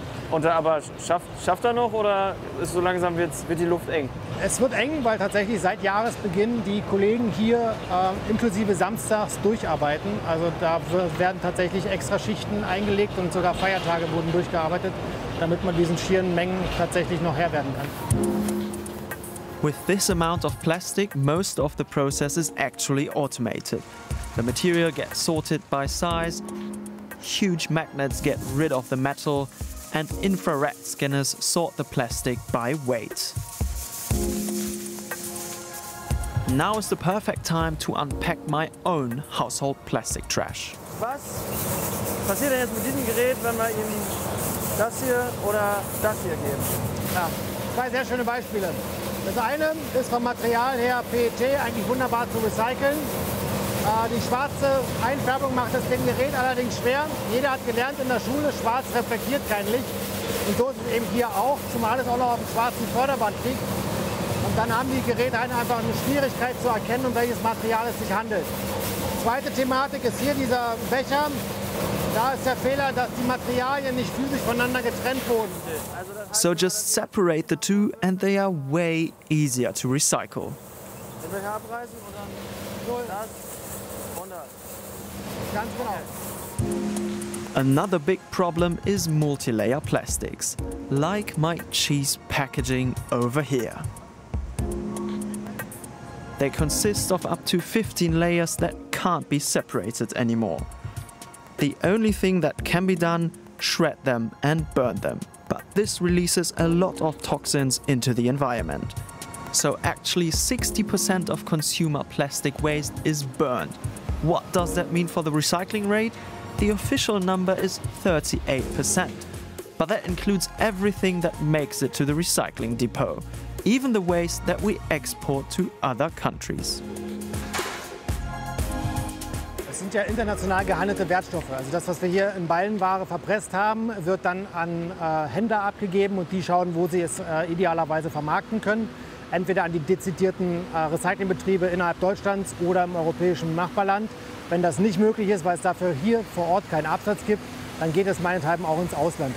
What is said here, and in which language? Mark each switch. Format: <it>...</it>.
<de>Und aber schafft er noch oder ist so langsam wird die Luft eng? Es wird eng, weil tatsächlich seit Jahresbeginn die Kollegen hier inklusive samstags durcharbeiten. Also da werden tatsächlich extra Schichten eingelegt und sogar Feiertage wurden durchgearbeitet, damit man diesen schieren Mengen tatsächlich noch Herr werden kann.</de> <en>With this amount of plastic, most of the process is actually automated. The material gets sorted by size, huge magnets get rid of the metal, and infrared scanners sort the plastic by weight. Now is the perfect time to unpack my own household plastic trash.</en> <de>Was? passiert denn jetzt mit diesem Gerät, wenn wir ihm das hier oder das hier geben? Ja, zwei sehr schöne Beispiele. Das eine ist vom Material her PET, eigentlich wunderbar zu recyceln. Die schwarze Einfärbung macht das dem Gerät allerdings schwer. Jeder hat gelernt in der Schule, schwarz reflektiert kein Licht. Und so ist es eben hier auch, zumal es auch noch auf dem schwarzen Vorderband liegt. Und dann haben die Geräte einfach eine Schwierigkeit zu erkennen, um welches Material es sich handelt. Zweite Thematik ist hier dieser Becher. Da ist der Fehler, dass die Materialien nicht physisch voneinander getrennt wurden.</de> <en>So just separate the two and they are way easier to recycle.</en> <de>Den Becher abreißen und dann null. Das und das. Ganz genau.</de> <en>Another big problem is multi-layer plastics, like my cheese packaging over here. They consist of up to 15 layers that can't be separated anymore. The only thing that can be done, shred them and burn them. But this releases a lot of toxins into the environment. So actually 60% of consumer plastic waste is burned. What does that mean for the recycling rate? The official number is 38%, but that includes everything that makes it to the recycling depot, even the waste that we export to other countries.</en> <de>Es sind ja international gehandelte Wertstoffe. Also das, was wir hier in Ballenware verpresst haben, wird dann an Händler abgegeben und die schauen, wo sie es idealerweise vermarkten können. Entweder an die dezidierten Recyclingbetriebe innerhalb Deutschlands oder im europäischen Nachbarland. Wenn das nicht möglich ist, weil es dafür hier vor Ort keinen Absatz gibt, dann geht es meinethalb auch ins Ausland.</de>